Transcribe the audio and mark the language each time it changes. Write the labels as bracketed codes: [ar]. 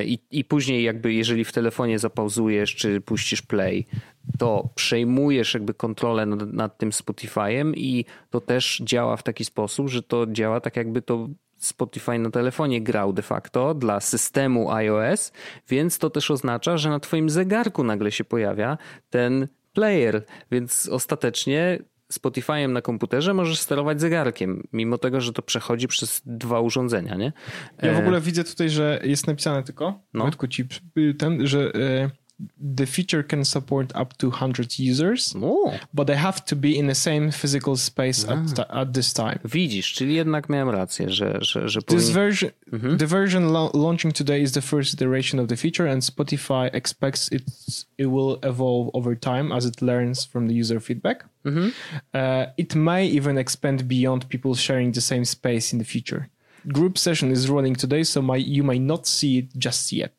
[pl] I później jakby, jeżeli w telefonie zapauzujesz, czy puścisz play, to przejmujesz jakby kontrolę nad tym Spotify'em i to też działa w taki sposób, że to działa tak jakby to Spotify na telefonie grał de facto dla systemu iOS, więc to też oznacza, że na twoim zegarku nagle się pojawia ten player, więc ostatecznie Spotify'em na komputerze możesz sterować zegarkiem, mimo tego, że to przechodzi przez dwa urządzenia, nie? Ja w ogóle widzę tutaj, że jest napisane tylko, no. Wojtku, ci ten, że [en] the feature can support up to 100 users, but they have to be in the same physical space at this time. [pl] Widzisz, czyli jednak miałem rację, że [en] this version, the version launching today is the first iteration of the feature and Spotify expects it will evolve over time as it learns from the user feedback. It may even expand beyond people sharing the same space in the future. Group session is running today, so you may not see it just yet.